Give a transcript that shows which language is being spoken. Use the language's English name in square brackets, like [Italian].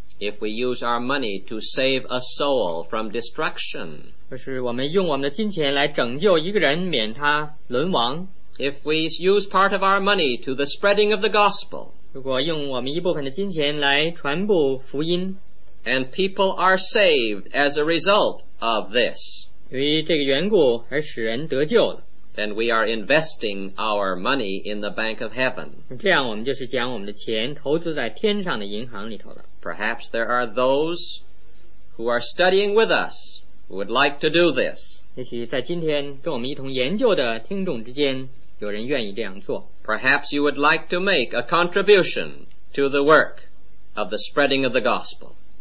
[English] If we use our money to save a soul from destruction, [Chinese] 就是我们用我们的金钱来拯救一个人免他沦亡。 [English] If we use part of our money to the spreading of the gospel, [Chinese] 如果用我们一部分的金钱来传播福音, [English] and people are saved as a result of this, [Chinese] 由于这个缘故而使人得救了, [English] then we are investing our money in the bank of heaven. [Chinese] 这样我们就是将我们的钱投资在天上的银行里头了。 [English] Perhaps there are those who are studying with us who would like to do this. [Chinese] 也许在今天跟我们一同研究的听众之间有人愿意这样做。 [English] Perhaps you would like to make a contribution to the work of the spreading of the gospel.